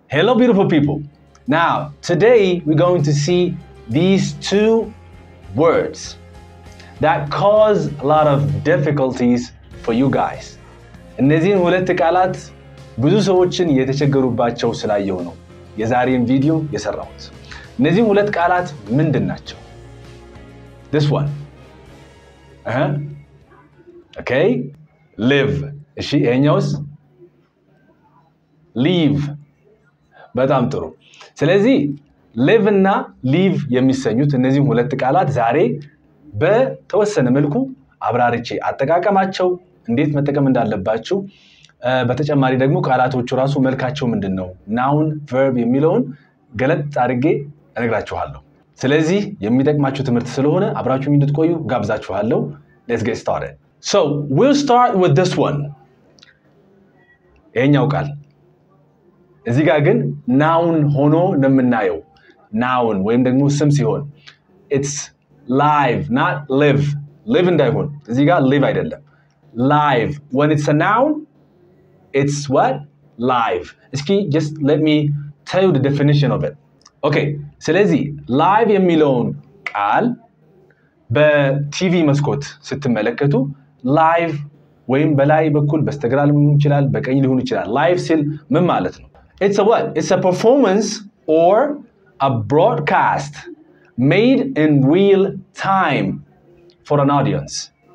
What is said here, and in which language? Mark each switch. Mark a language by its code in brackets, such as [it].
[en] Hello, beautiful people. Now, today we're going to see these two words that cause a lot of difficulties for you guys. [am] እነዚህን ሁለት ቃላት ብዙ ሰዎችን የተቸገሩባቸው ስላየሁ ነው የዛሬን ቪዲዮ የሰራሁት። እነዚህን ሁለት ቃላት ምንድናቸው? [en] This one. Okay? Live. [am] እሺ እኛውስ? [en] Leave. [am] በጣም ጥሩ። ስለዚህ live እና leave የሚሰኙት እነዚህን ሁለት ቃላት ዛሬ በተወሰነ መልኩ አብራርቼ አጠቃቀማቸው እንዴት መጠቀም እንዳለባችሁ በተጨማሪ ደግሞ ቃላቶቹ ራሱ መልካቸው ምንድነው noun verb የሚለውን ገለጥ አድርጌ እነግራችኋለሁ። ስለዚህ የሚጠቅማችሁ ትምህርት ስለሆነ አብራችሁኝ እንድትቆዩ ጋብዛችኋለሁ። [en] Let's get started. So, we'll start with this one. [am] የኛው ቃል እዚህ ጋር ግን noun ሆኖ ነው የምናየው። noun ወይም ደግሞ ስም ሲሆን [en] it's live, not live. [am] live እንዳይሆን እዚህ ጋር live አይደለም live. [en] when it's a noun, it's what? live. እስኪ just let me tell you the definition of it. [am] okay, ስለዚህ live የሚለውን ቃል በቲቪ መስኮት ስትመለከቱ live ወይም በላይ በኩል በስተግራም ሊሆን ይችላል በቀኝ ሊሆን ይችላል live ሲል ምን ማለት ነው? [en] it's a what? it's a performance or a broadcast made in real time for an audience.